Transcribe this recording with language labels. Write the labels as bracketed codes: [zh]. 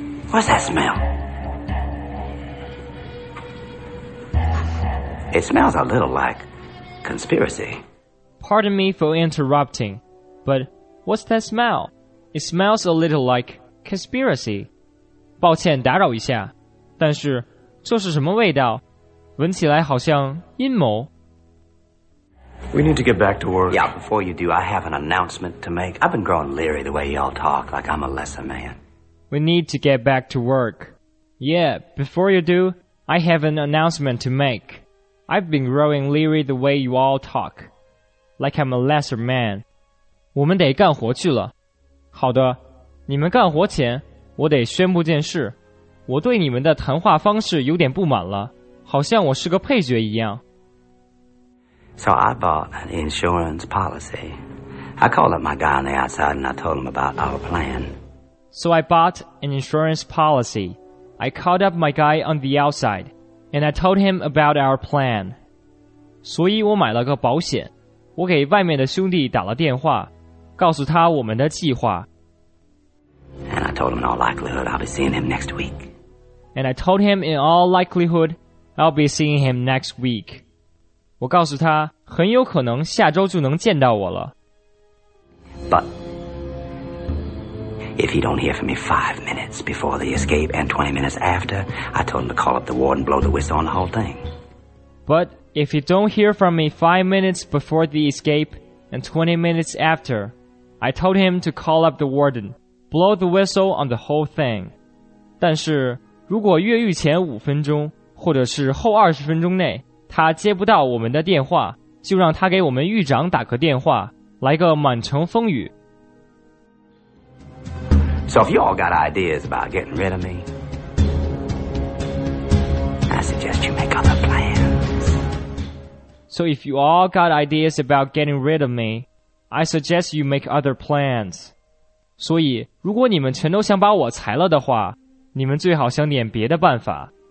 [en] What's that smell? It smells a little like conspiracy. Pardon me for interrupting, but what's that smell? It smells a little like conspiracy. [zh] 抱歉打扰一下，但是这是什么味道？闻起来好像阴谋。 [en] We need to get back to work. Yeah, before you do, I have an announcement to make. I've been growing leery the way y'all talk, like I'm a lesser man. We need to get back to work. Yeah, before you do, I have an announcement to make. I've been growing leery the way you all talk, like I'm a lesser man. [zh] 我们得干活去了。好的，你们干活前，我得宣布件事。我对你们的谈话方式有点不满了，好像我是个配角一样。 [en] So I bought an insurance policy. I called up my guy on the outside and I told him about our plan. So I bought an insurance policy. I called up my guy on the outside and I told him about our plan. [zh] 所以我买了个保险。我给外面的兄弟打了电话，告诉他我们的计划。 [en] And I told him in all likelihood I'll be seeing him next week. And I told him in all likelihood I'll be seeing him next week. [zh] 我告诉他，很有可能下周就能见到我了。 [en] But if he don't hear from me 5 minutes before the escape and 20 minutes after, I told him to call up the warden, blow the whistle on the whole thing. But if he don't hear from me 5 minutes before the escape and 20 minutes after, I told him to call up the warden, blow the whistle on the whole thing. [zh] 但是如果越狱前五分钟，或者是后20分钟内。他接不到我们的电话，就让他给我们狱长打个电话，来个满城风雨。 [en] So if you all got ideas about getting rid of me, I suggest you make other plans. So if you all got ideas about getting rid of me, I suggest you make other plans. [zh] 所以，如果你们全都想把我裁了的话，你们最好想点别的办法。